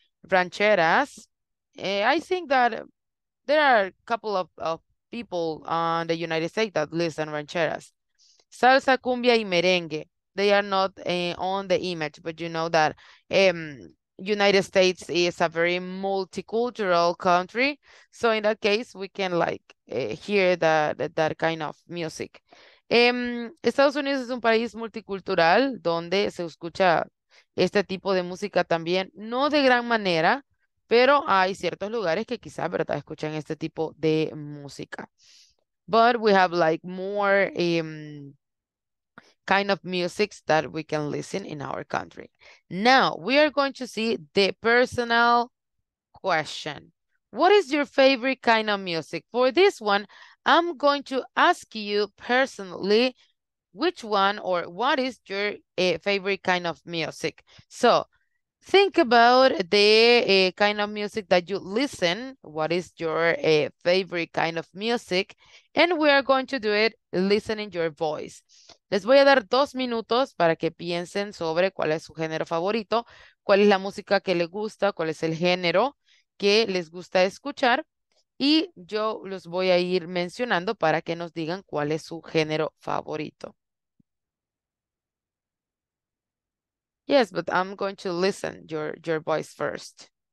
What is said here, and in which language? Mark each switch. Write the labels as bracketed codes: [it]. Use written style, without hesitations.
[en] Rancheras. I think that there are a couple of people on the United States that listen rancheras. [es] Salsa, cumbia, y merengue. [en] They are not on the image, but you know that United States is a very multicultural country. So in that case, we can like hear that kind of music. [es] Estados Unidos es un país multicultural donde se escucha este tipo de música también. No de gran manera, pero hay ciertos lugares que quizás, ¿verdad?, escuchan este tipo de música. [en] But we have like more kind of music that we can listen in our country. Now, we are going to see the personal question. What is your favorite kind of music? For this one, I'm going to ask you personally, which one or what is your favorite kind of music? So think about the kind of music that you listen. What is your favorite kind of music? And we are going to do it listening your voice. [es] Les voy a dar 2 minutos para que piensen sobre cuál es su género favorito, cuál es la música que les gusta, cuál es el género que les gusta escuchar. Y yo los voy a ir mencionando para que nos digan cuál es su género favorito. [en] Yes, but I'm going to listen your voice first.